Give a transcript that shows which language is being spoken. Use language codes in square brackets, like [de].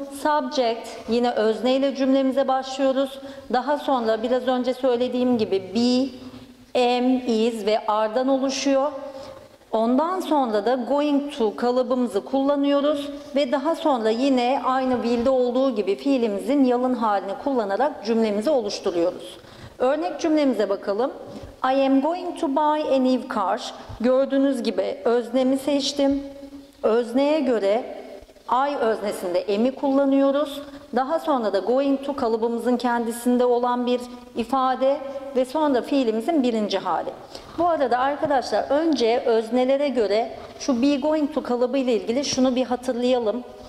[tr] Subject yine özne ile cümlemize başlıyoruz. Daha sonra biraz önce söylediğim gibi be, am, is ve are'dan oluşuyor. Ondan sonra da going to kalıbımızı kullanıyoruz ve daha sonra yine aynı will'de olduğu gibi fiilimizin yalın halini kullanarak cümlemizi oluşturuyoruz. Örnek cümlemize bakalım. [en] I am going to buy a new car. [tr] Gördüğünüz gibi öznemi seçtim. Özneye göre I öznesinde am'i kullanıyoruz. Daha sonra da going to kalıbımızın kendisinde olan bir ifade ve sonra fiilimizin birinci hali. Bu arada arkadaşlar önce öznelere göre şu be going to kalıbı ile ilgili şunu bir hatırlayalım.